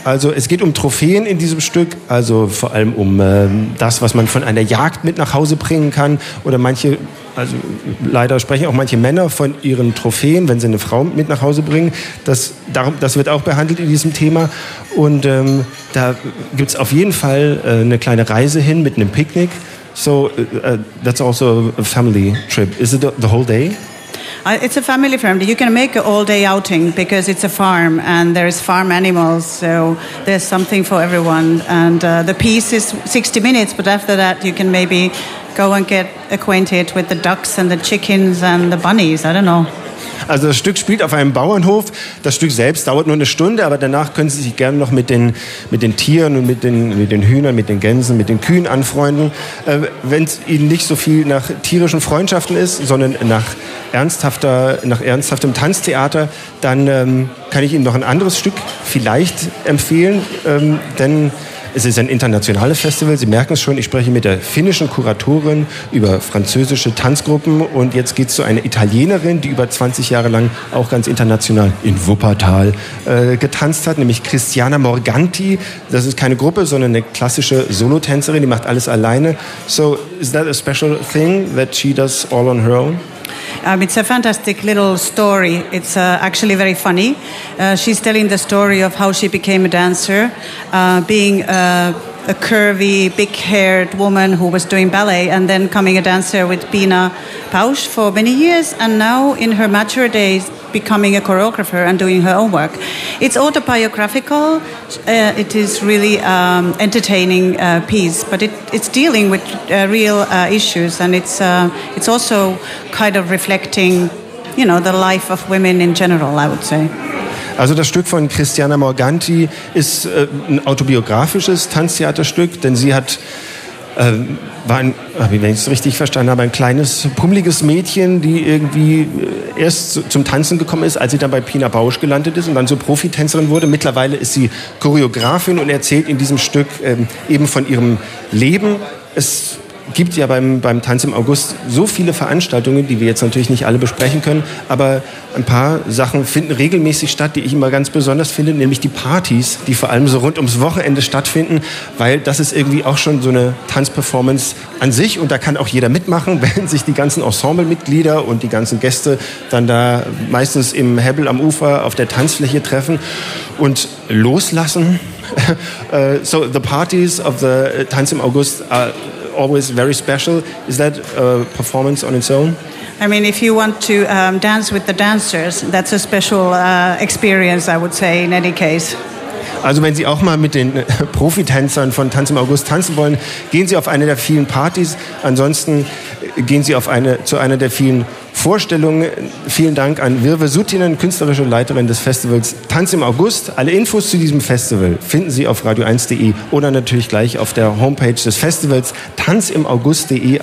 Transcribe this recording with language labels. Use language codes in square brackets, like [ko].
[de] Also es geht um Trophäen in diesem Stück. Also vor allem um das, was man von einer Jagd mit nach Hause bringen kann. Oder manche, also leider sprechen auch manche Männer von ihren Trophäen, wenn sie eine Frau mit nach Hause bringen. Das wird auch behandelt in diesem Thema. Und da gibt es auf jeden Fall eine kleine Reise hin mit einem Picknick. [en] So that's also a family trip. Is it the whole day? It's a family friendly. You can make an all-day outing because it's a farm and there is farm animals, so there's something for everyone. And the piece is 60 minutes, but after that you can maybe go and get acquainted with the ducks and the chickens and the bunnies. I don't know. [de] Also das Stück spielt auf einem Bauernhof. Das Stück selbst dauert nur eine Stunde, aber danach können Sie sich gerne noch mit den Tieren und mit den Hühnern, mit den Gänsen, mit den Kühen anfreunden. Wenn es Ihnen nicht so viel nach tierischen Freundschaften ist, sondern nach ernsthaftem Tanztheater, dann kann ich Ihnen noch ein anderes Stück vielleicht empfehlen, denn es ist ein internationales Festival. Sie merken es schon, ich spreche mit der finnischen Kuratorin über französische Tanzgruppen. Und jetzt geht es zu einer Italienerin, die über 20 Jahre lang auch ganz international in Wuppertal getanzt hat, nämlich Christiana Morganti. Das ist keine Gruppe, sondern eine klassische Solotänzerin, die macht alles alleine. [en] So, is that a special thing that she does all on her own? It's a fantastic little story. It's actually very funny. She's telling the story of how she became a dancer, being a curvy, big-haired woman who was doing ballet and then becoming a dancer with Pina Pausch for many years and now in her mature days becoming a choreographer and doing her own work. It's autobiographical. It is really entertaining piece, but it's dealing with real issues and it's also kind of reflecting, you know, the life of women in general, I would say. [de] Also das Stück von Christiana Morganti ist ein autobiografisches Tanztheaterstück, denn sie hat wenn ich es richtig verstanden habe, ein kleines, pummeliges Mädchen, die irgendwie erst zum Tanzen gekommen ist, als sie dann bei Pina Bausch gelandet ist und dann so Profitänzerin wurde. Mittlerweile ist sie Choreografin und erzählt in diesem Stück eben von ihrem Leben. Es gibt ja beim Tanz im August so viele Veranstaltungen, die wir jetzt natürlich nicht alle besprechen können, aber ein paar Sachen finden regelmäßig statt, die ich immer ganz besonders finde, nämlich die Partys, die vor allem so rund ums Wochenende stattfinden, weil das ist irgendwie auch schon so eine Tanzperformance an sich und da kann auch jeder mitmachen, wenn sich die ganzen Ensemblemitglieder und die ganzen Gäste dann da meistens im Hebel am Ufer auf der Tanzfläche treffen und loslassen. [en] So the parties of the Tanz im August are always very special. Is that a performance on its own? I mean, if you want to dance with the dancers, that's a special experience, I would say, in any case. [de] Also wenn Sie auch mal mit den Profitänzern von Tanz im August tanzen wollen, gehen Sie auf eine der vielen Partys. Ansonsten gehen Sie zu einer der vielen Vorstellungen. Vielen Dank an Virve Suttinen, künstlerische Leiterin des Festivals Tanz im August. Alle Infos zu diesem Festival finden Sie auf radio1.de oder natürlich gleich auf der Homepage des Festivals tanzimaugust.de.